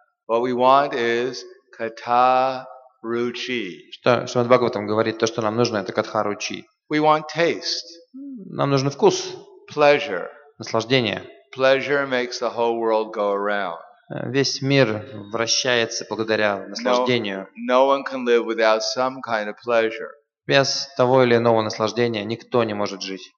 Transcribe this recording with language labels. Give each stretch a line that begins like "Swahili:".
English: What we want is Kataruchi.
Russian: Что Шримад Бхагаватам говорит, то, что нам нужно, это Катхаручи.
English: We want taste.
Russian: Нам нужен вкус.
English: Pleasure.
Russian: Наслаждение.
English: Pleasure makes the whole world go around.
Russian: Весь мир вращается благодаря наслаждению.
English: No one can live without some kind of pleasure.
Russian: Без того или иного наслаждения никто не может жить.